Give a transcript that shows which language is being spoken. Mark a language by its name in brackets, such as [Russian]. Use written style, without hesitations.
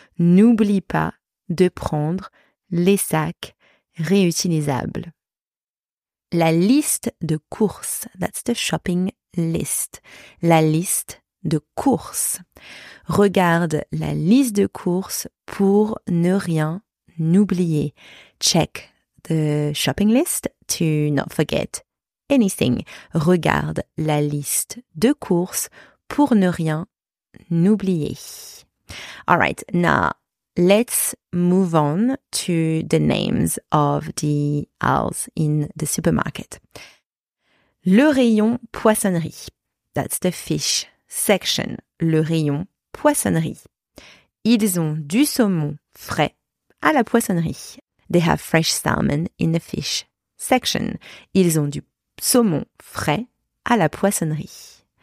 [French] N'oublie pas de prendre les sacs réutilisables. La liste de courses. [English] That's the shopping list. [French] La liste de courses. Regarde la liste de courses pour ne rien oublier. [English] Check the shopping list to not forget anything. [French] Regarde la liste de courses pour ne rien oublier. [English] All right, now let's move on to the names of the aisles in the supermarket. [French] Le rayon poissonnerie. [English] That's the fish section. [French] Le rayon poissonnerie. Ils ont du saumon frais à la poissonnerie. [English] They have fresh salmon in the fish section. [French] Ils ont du saumon frais à la poissonnerie.